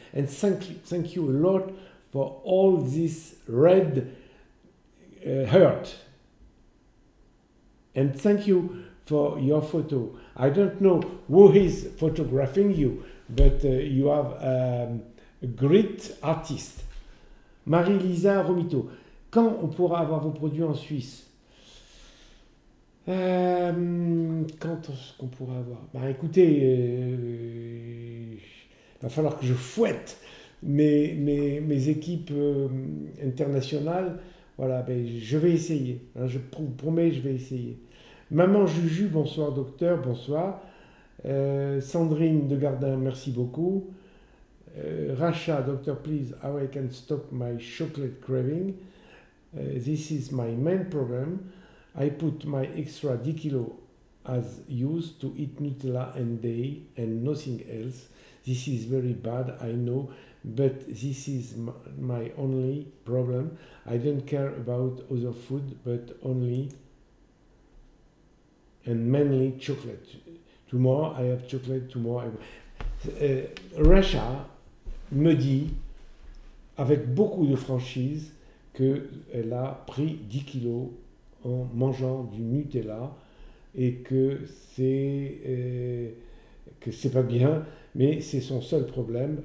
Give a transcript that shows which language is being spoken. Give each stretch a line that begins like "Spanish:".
English: And thank you a lot for all this red hurt. And thank you for your photo. I don't know who is photographing you, but you have a great artist.
French: Marie-Lisa Romito, quand on pourra avoir vos produits en Suisse? Quand est-ce qu'on pourra avoir? Ben écoutez, il va falloir que je fouette mes équipes internationales. Voilà, ben, je vais essayer. Hein, je vous promets, je vais essayer. Maman Juju, bonsoir docteur, bonsoir. Sandrine de Gardin, merci beaucoup.
English: Racha, docteur, please, how I can stop my chocolate craving. This is my main problem. I put my extra 10 kilo as used to eat Nutella and day and nothing else. This is very bad, I know, but this is my only problem. I don't care about other food, but only and mainly chocolate. Tomorrow I have chocolate, tomorrow I have...
French: Russia me dit avec beaucoup de franchise qu'elle a pris 10 kilos en mangeant du Nutella et que c'est pas bien, mais c'est son seul problème.